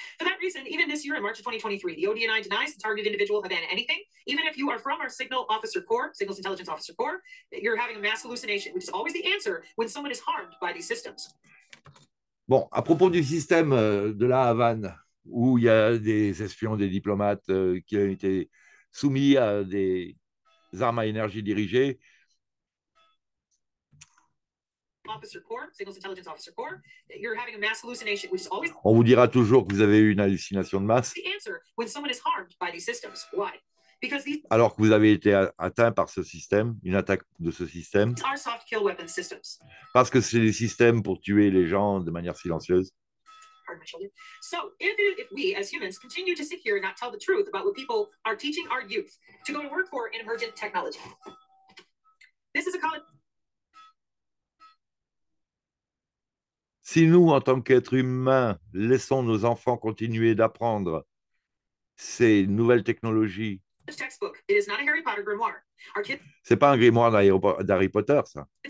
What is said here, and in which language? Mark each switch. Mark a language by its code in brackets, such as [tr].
[en] For that reason, even this year in March of 2023, the ODNI denies the targeted individual have done anything. Even if you are from our signal officer corps, signals intelligence officer corps, you're having a mass hallucination, which is always the answer when someone is harmed by these systems. [fr] Bon, à propos du système de la Havane, où il y a des espions, des diplomates qui ont été soumis à des armes à énergie dirigée. [en] Officer Corps, Signals Intelligence Officer Corps, that you're having a mass hallucination, which is always... [fr] On vous dira toujours que vous avez eu une hallucination de masse. [en] The answer when someone is harmed by these systems. Why? Because these... [fr] Alors que vous avez été atteint par ce système, une attaque de ce système. [en] These are soft kill weapon systems. [fr] Parce que c'est des systèmes pour tuer les gens de manière silencieuse. [en] So if we as humans continue to sit here and not tell the truth about what people are teaching our youth to go to work for in emergent technology, this is a college. [fr] Si nous, en tant qu'êtres humains, laissons nos enfants continuer d'apprendre ces nouvelles technologies, c'est pas un grimoire d'Harry Potter, ça.